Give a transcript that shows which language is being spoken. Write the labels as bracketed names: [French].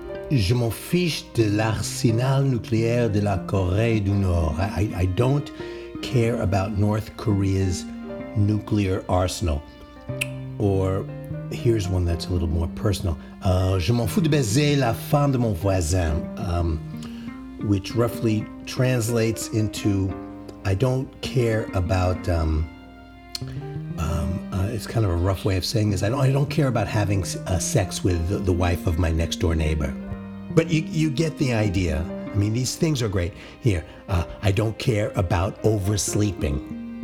[French] Je m'en fiche de l'arsenal nucléaire de la Corée du Nord. [English] I don't care about North Korea's nuclear arsenal. Or here's one that's a little more personal. [French] Je m'en fous de baiser la femme de mon voisin. [English] Which roughly translates into, I don't care about, it's kind of a rough way of saying this, I don't care about having sex with the wife of my next door neighbor. But you get the idea. I mean, these things are great. Here, I don't care about oversleeping.